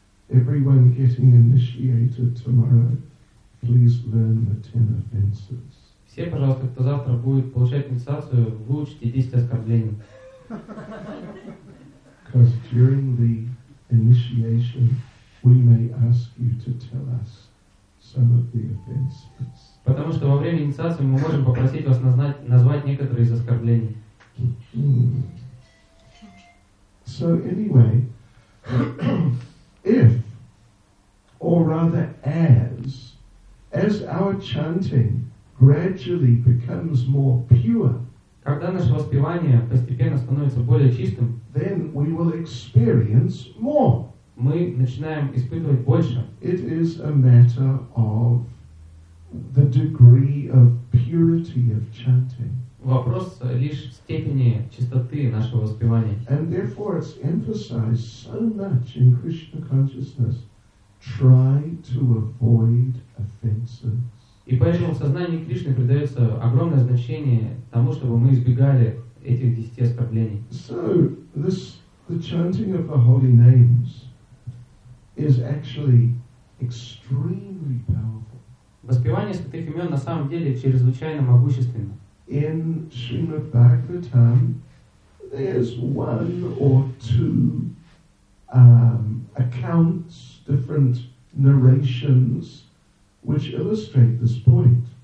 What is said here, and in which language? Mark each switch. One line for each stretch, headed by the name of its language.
English: Everyone getting initiated tomorrow, please learn the 10 offenses.
Russian: Все, пожалуйста, кто завтра будет получать инициацию, выучите 10 оскорблений.
English: Because during the initiation we may ask you to tell us some of the offenses.
Russian: Потому что во время инициации мы можем попросить вас назвать некоторые из оскорблений.
English: So anyway, if, or rather as our chanting gradually becomes more pure,
Russian: когда наше воспевание постепенно становится более чистым,
English: then we will experience more.
Russian: Мы начинаем испытывать больше.
English: It is a matter of the degree of purity of chanting.
Russian: Вопрос лишь в степени чистоты нашего воспевания.
English: And therefore it's emphasized so much in Krishna consciousness. Try to avoid offenses.
Russian: И поэтому в сознании Кришны придается огромное значение тому, чтобы мы избегали этих 10 оскорблений.
English: So, the chanting of the holy names is actually extremely powerful.
Russian: Воспевание святых имен на самом деле чрезвычайно могущественно.
English: In Srimad Bhagavatam there's one or two accounts, different narrations, which illustrate this point.